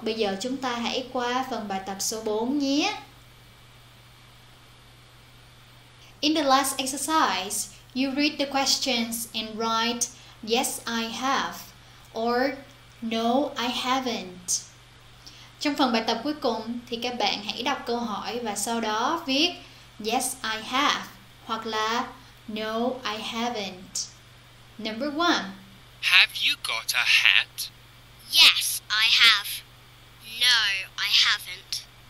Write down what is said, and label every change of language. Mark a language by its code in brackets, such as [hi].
[vi] Bây giờ chúng ta hãy qua phần bài tập số 4 nhé. [en] In the last exercise, you read the questions and write yes, I have or no, I haven't. [vi] Trong phần bài tập cuối cùng thì các bạn hãy đọc câu hỏi và sau đó viết [en] yes, I have [vi] hoặc là [en] no, I haven't. Number one. Have you got a hat? Yes, I have. No, I haven't.